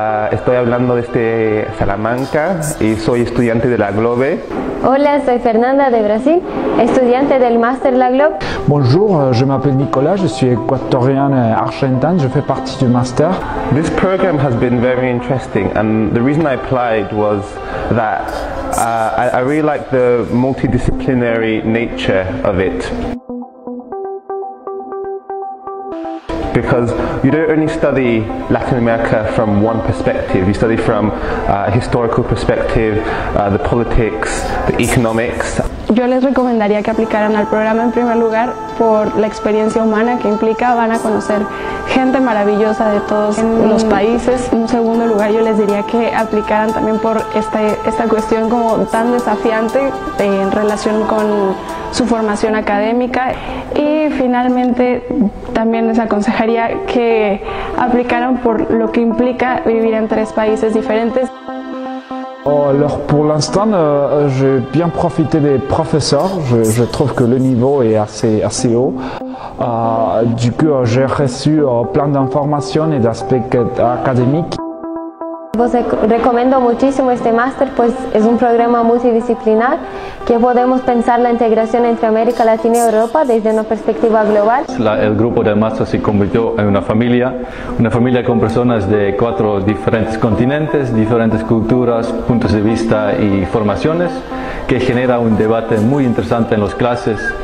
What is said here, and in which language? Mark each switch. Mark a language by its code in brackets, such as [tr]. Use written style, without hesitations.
[es] Estoy hablando desde Salamanca y soy estudiante de LAGLOBE. Hola, soy Fernanda de Brasil, estudiante del Master LAGLOBE. [fr] Bonjour, je m'appelle Nicolas, je suis équatorien argentin, je fais partie du Master. [en] This program has been very interesting and the reason I applied was that I really like the multidisciplinary nature of it. Because you don't only study Latin America from one perspective, you study from a historical perspective, the politics, the economics. [es] Yo les recomendaría que aplicaran al programa en primer lugar por la experiencia humana que implica. Van a conocer gente maravillosa de todos los países. En un segundo lugar, yo les diría que aplicaran también por esta cuestión como tan desafiante en relación con su formación académica. Y finalmente, también les aconsejaría que aplicaran por lo que implica vivir en tres países diferentes. [fr] Alors pour l'instant, j'ai bien profité des professeurs. Je trouve que le niveau est assez haut. Du coup, j'ai reçu plein d'informations et d'aspects académiques. Vous recommande beaucoup ce master, [es] pues es un programa multidisciplinar que podemos pensar la integración entre América Latina y Europa desde una perspectiva global. El grupo del máster se convirtió en una familia con personas de cuatro diferentes continentes, diferentes culturas, puntos de vista y formaciones, que genera un debate muy interesante en las clases.